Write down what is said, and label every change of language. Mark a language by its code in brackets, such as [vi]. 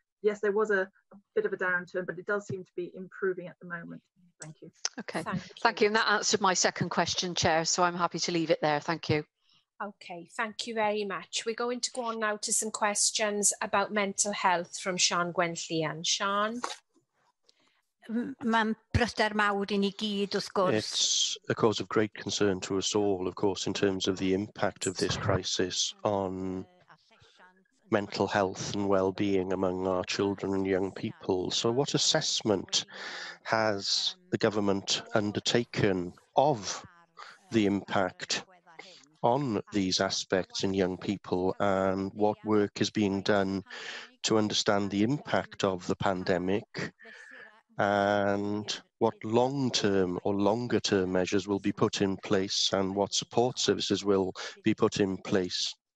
[en] yes, there was a bit of a downturn, but it does seem to be improving at the moment. Thank you. Okay, thank you. And that answered my second question, Chair, so I'm happy to leave it there. Thank you. Okay, thank you very much. We're going to go on now to some questions about mental health from Sian Gwenllian. Sian? [cy] Mae'n bryder mawr I ni gyd, wrth gwrs. [en] It's a cause of great concern to us all, of course, in terms of the impact of this crisis on mental health and well-being among our children and young people. So what assessment has the government undertaken of the impact on these aspects in young people, and what work is being done to understand the impact of the pandemic, and what long-term or longer-term measures will be put in place, and what support services will be put in place?